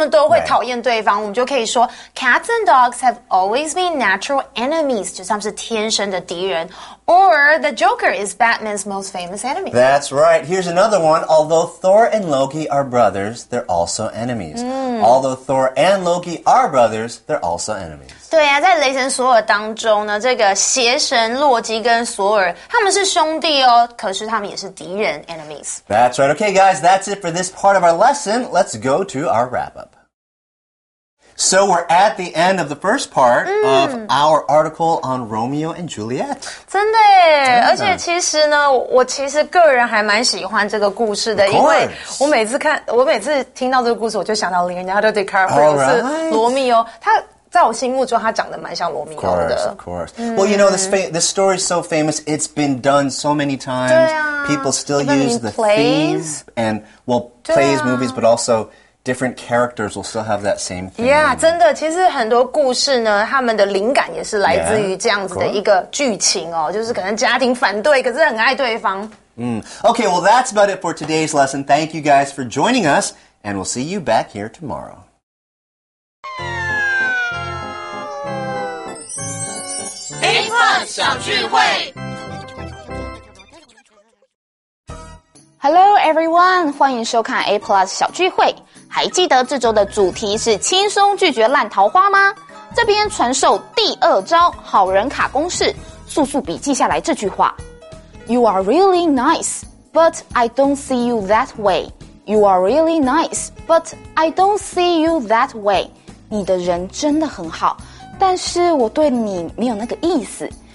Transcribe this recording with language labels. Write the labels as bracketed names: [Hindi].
[Chinese] 他们都会讨厌对方、 [English] right. [Chinese] 我们就可以说 [English] Cats and dogs have always been natural enemies [Chinese] 就是他们是天生的敌人 [English] Or the Joker is Batman's most famous enemy That's right, here's another one Although Thor and Loki are brothers, they're also enemies、 mm. Although Thor and Loki are brothers, they're also enemies [Chinese] 对啊在雷神索尔当中呢这个邪神洛基跟索尔他们是兄弟哦可是他们也是敌人 enemies [English] That's right. Okay, guys, that's it for this part of our lesson. Let's go to our wrap-up. So we're at the end of the first part、mm. of our article on Romeo and Juliet. [Chinese] 真的耶。而且其实呢我其实个人还蛮喜欢这个故事的。因为我每次听到这个故事我就想到 Leonardo DiCaprio 是罗密欧。他在我心目中他长得蛮像罗密欧的。 [English] Of course.、Mm. Well, you know, this story is so famous. It's been done so many times. [Chinese] 对啊。 [English] People still use the plays? Theme. And, well, plays, movies, but also... Different characters will still have that same thing. [Chinese] Yeah, 真的，其实很多故事呢，他们的灵感也是来自于这样子的一个剧情哦，就是可能家庭反对，可是很爱对方。 [English] Okay, well, that's about it for today's lesson. Thank you guys for joining us, and we'll see you back here tomorrow. [Chinese] A-Fun 小聚会 [English] Hello, everyone. [Chinese] 欢迎收看 A-Plus 小聚会。还记得这周的主题是轻松拒绝烂桃花吗？这边传授第二招好人卡公式，速速笔记下来这句话。 [English] You are really nice, but I don't see you that way. You are really nice, but I don't see you that way. [Chinese] 你的人真的很好，但是我对你没有那个意思。